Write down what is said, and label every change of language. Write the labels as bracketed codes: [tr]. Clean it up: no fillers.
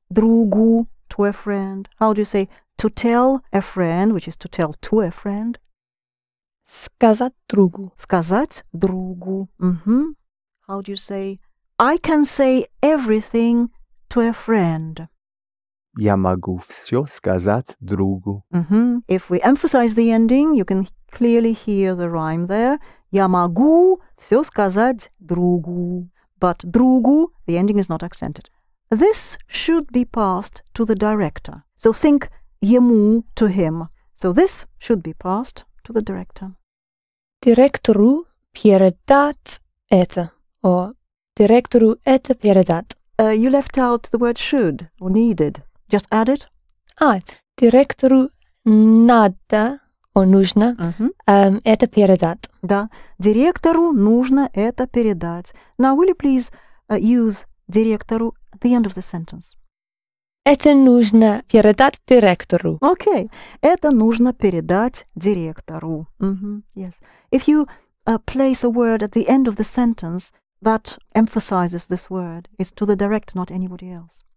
[en] Другу, to a friend. How do you say to tell a friend, which is to tell to a friend? [ru] Сказать другу. Сказать другу. [en] How do you say, I can say everything to a friend? [ru] Я могу всё сказать другу. [en] If we emphasize the ending, you can clearly hear the rhyme there. [ru] Я могу всё сказать другу. [en] But другу, the ending is not accented. This should be passed to the director. So think ему, to him. So this should be passed to the director. [ru] Директору передать это. Or директору это передать. [en] You left out the word should or needed. Just add it. [ru] Директору надо, or нужно, это передать. Да, директору нужно это передать. [en] Now, will you please use директору at the end of the sentence? [ru] Это нужно передать директору. Okay, это нужно передать директору. [en] Yes. If you place a word at the end of the sentence that emphasizes this word, it's to the director, not anybody else.